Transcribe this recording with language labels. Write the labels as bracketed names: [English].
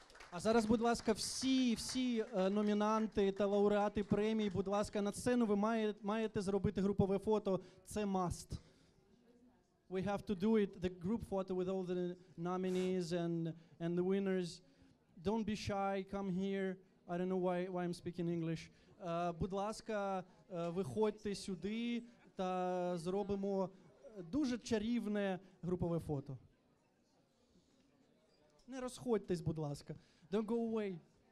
[Ukrainian] А зараз, будь ласка, всі номінанти та лауреати премій, будь ласка, на сцену ви маєте зробити групове фото. Це must. [English] We have to do it, the group photo with all the nominees and the winners. Don't be shy, come here. I don't know why I'm speaking English. [Ukrainian] Будь ласка, виходьте сюди та зробимо дуже чарівне групове фото. Не розходьтесь, будь ласка. [English] Don't go away.